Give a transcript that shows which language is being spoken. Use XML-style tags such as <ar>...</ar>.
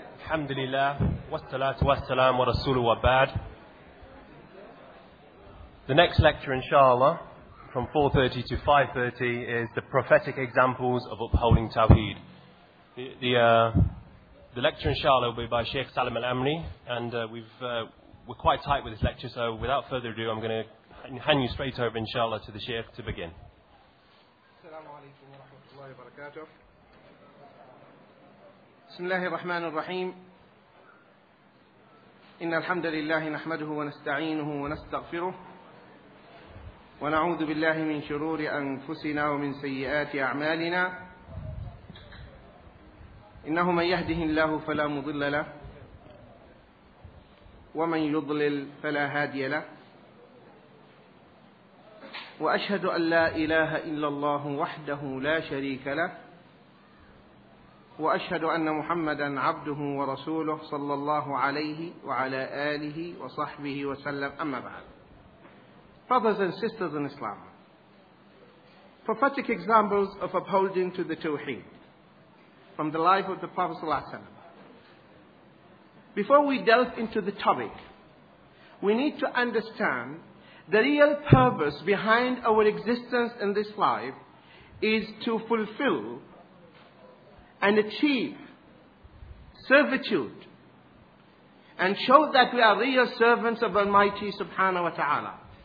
<ar>الحمد لله والصلاة والسلام ورسوله وبعد.</ar> <en>The next lecture, inshallah, from 4:30 to 5:30, is the prophetic examples of upholding Tawheed. The lecture, inshallah, will be by Sheikh Salim Al-Amri, and we're quite tight with this lecture, so without further ado, I'm going to hand you straight over, inshallah, to the Sheikh to begin.</en> <ar>Assalamu alaikum wa rahmatullahi wa barakatuh. بسم الله الرحمن الرحيم إن الحمد لله نحمده ونستعينه ونستغفره ونعوذ بالله من شرور أنفسنا ومن سيئات أعمالنا إنه من يهده الله فلا مضل له ومن يضلل فلا هادي له وأشهد أن لا إله إلا الله وحده لا شريك له وأشهد أن محمدًا عبده ورسوله صلى الله عليه وعلى آله وصحبه وسلم أما بعد.</ar> <en>Brothers and sisters in Islam, prophetic examples of upholding to the Tawheed from the life of the Prophet</en> <ar>صلى الله عليه وسلم.</ar> <en>Before we delve into the topic, we need to understand the real purpose behind our existence in this life is to fulfill and achieve servitude and show that we are real servants of Almighty subhanahu wa ta'ala.</en>